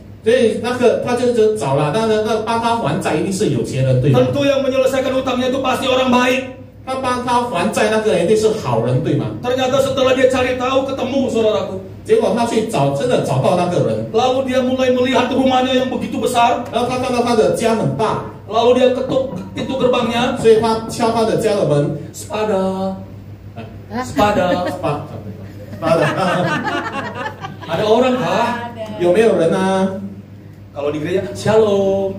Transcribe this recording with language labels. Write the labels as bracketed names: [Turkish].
[Chinese] 所以那个他就找了，当然那帮他还债一定是有钱人，对吗？ [Indonesian] Tentu yang menyelesaikan utangnya itu pasti orang baik。 [Chinese] 他帮他还债那个人一定是好人，对吗？ [Indonesian] Ternyata setelah dia cari tahu ketemu saudaraku。 [Chinese] 结果他去找，真的找到那个人。 [Indonesian] Lalu dia mulai melihat rumahnya yang begitu besar。 [Chinese] 然后他看到他的家很大。 [Indonesian] Lalu dia ketuk pintu gerbangnya。 [Chinese] 所以他敲他的家的门。 [Indonesian] Spada。 Spada。 Spada。 Ada orang kah？ [Chinese] 有没有人啊？ [Indonesian] Kalau di gereja shalom，